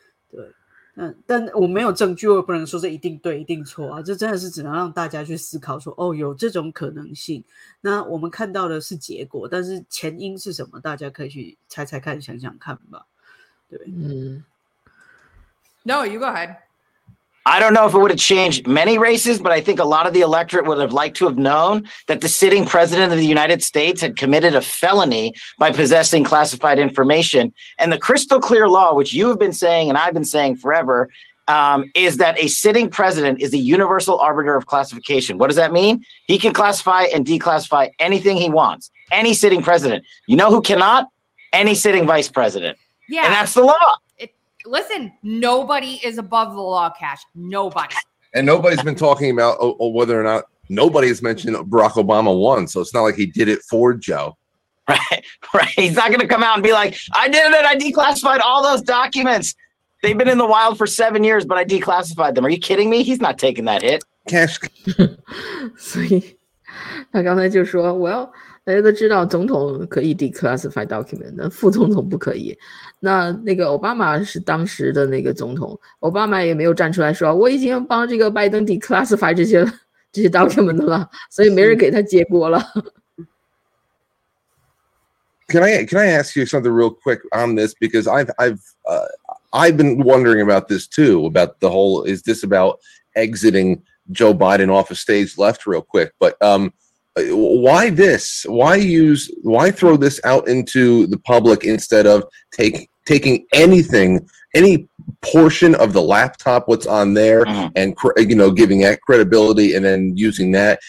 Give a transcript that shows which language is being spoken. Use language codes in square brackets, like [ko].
[zh] 对，但我没有证据，我也不能说这一定对一定错啊，这真的是只能让大家去思考说，哦，有这种可能性，那我们看到的是结果，但是前因是什么，大家可以去猜猜看，想想看吧。对， [en] No, you go ahead. I don't know if it would have changed many races, but I think a lot of the electorate would have liked to have known that the sitting president of the United States had committed a felony by possessing classified information. And the crystal clear law, which you have been saying and I've been saying forever, is that a sitting president is the universal arbiter of classification. What does that mean? He can classify and declassify anything he wants. Any sitting president. You know who cannot? Any sitting vice president. Yeah. And that's the law. Listen, nobody is above the law, Cash. Nobody. And nobody's been talking about whether or not nobody has mentioned Barack Obama won. So it's not like he did it for Joe. Right. He's not going to come out and be like, I did it. I declassified all those documents. They've been in the wild for 7 years, but I declassified them. Are you kidding me? He's not taking that hit. Cash. [zh] 所以他刚才就说, well, 大家都知道总统可以 [en] declassify document， [zh] 副总统不可以。那那个奥巴马是当时的那个总统，奥巴马也没有站出来说我已经帮这个拜登 declassify 这些 document 了，所以没人给他结果了。 [en] Can I ask you something real quick on this? Because I've been wondering about this too. About the whole, is this about exiting Joe Biden off of stage left real quick? But why this? Why throw this out into the public instead of taking anything, any portion of the laptop, what's on there, and giving that credibility, and then using that?